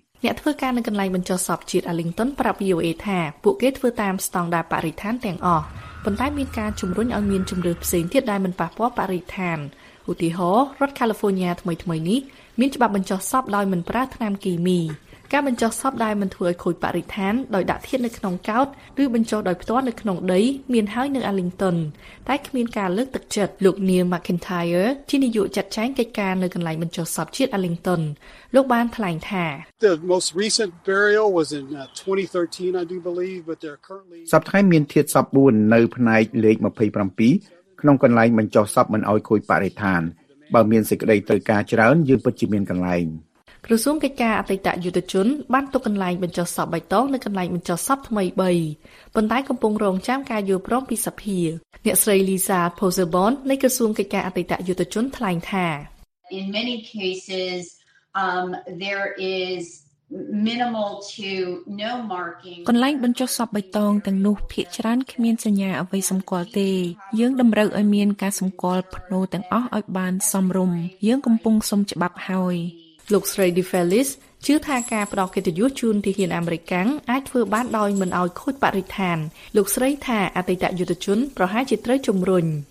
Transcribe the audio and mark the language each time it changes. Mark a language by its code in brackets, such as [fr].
[km] អ្នកធ្វើការនៅកន្លែងបញ្ចុះសពជាតិ Arlington ប្រាប់ VOA ថាពួកគេធ្វើតាមស្តង់ដារបរិស្ថានទាំងអស់ប៉ុន្តែមានការជំរុញឲ្យមានជំរើសផ្សេងទៀតដែលមិនប៉ះពាល់បរិស្ថានឧទាហរណ៍រដ្ឋ California ថ្មីៗនេះមានច្បាប់បញ្ចុះសពដោយមិនប្រើថ្នាំគីមីការបញ្ចុះសពដែលមិនធ្វើឲ្យខូចបរិស្ថានដោយដាក់ធាតុនៅក្នុងកោដ្ឋឬបញ្ចុះដោយផ្ទាល់នៅក្នុងដីមានហើយនៅ Arlington តែគ្មានការលើកទឹកចិត្តលោក Neil McIntyre ជានាយកចាត់ចែងកិច្ចការនៅកន្លែងបញ្ចុះសពជាតិ Arlington លោកបានថ្លែងថា [en] The most recent burial was in 2013 I do believe but they're currently [km] សពថ្ងៃមានធាតុសព4នៅផ្នែកលេខ27ក្នុងកន្លែងបញ្ចុះសពមិនឲ្យខូចបរិស្ថានបើមានសេចក្តីត្រូវការច្រើនយើងពិតជាមានកន្លែង ក្រសួងកិច្ចការអតីតយុទ្ធជនបានទុកកន្លែងបញ្ចុះសពបៃតងនៅកន្លែងបញ្ចុះសពថ្មី3ប៉ុន្តែកំពុងរងចាំការយល់ព្រមពីសភាអ្នកស្រីលីសាផូសបននៃក្រសួងកិច្ចការអតីតយុទ្ធជនថ្លែងថា [en] In many cases there is minimal to no marking [km] កន្លែងបញ្ចុះសពបៃតងទាំងនោះភាគច្រើនគ្មានសញ្ញាអ្វីសម្គាល់ទេយើងតម្រូវឲ្យមានការសម្គាល់ផ្នូរទាំងអស់ឲ្យបានសមរម្យយើងកំពុងសុំច្បាប់ហើយ លោកស្រី De Felis ជឿថាការផ្ដល់កិត្តិយសជូនទាហានអាមេរិកកាំងអាចធ្វើបានដោយមិនឲ្យខូចបរិស្ថានលោកស្រីថាអតីតយុទ្ធជនប្រហែលជាត្រូវជំរុញ